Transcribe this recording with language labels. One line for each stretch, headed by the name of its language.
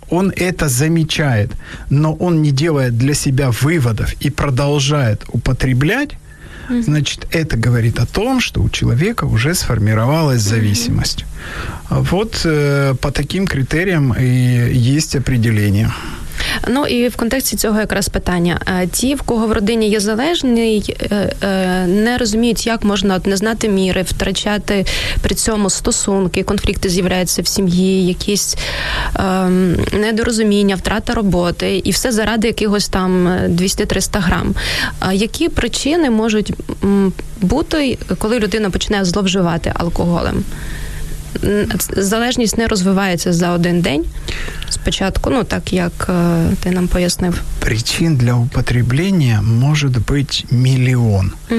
Russian: Он это замечает, но он не делает для себя выводов и продолжает употреблять, значит, это говорит о том, что у человека уже сформировалась зависимость. Вот по таким критериям и есть определение.
Ukrainian: Ну, і в контексті цього якраз питання. Ті, в кого в родині є залежний, не розуміють, як можна не знати міри, втрачати при цьому стосунки, конфлікти з'являються в сім'ї, якісь недорозуміння, втрата роботи, і все заради якихось там 200-300 грам. Які причини можуть бути, коли людина починає зловживати алкоголем? Залежність не розвивається за один день спочатку, ну так як ти нам пояснив.
Russian: Причин для употребления может быть миллион.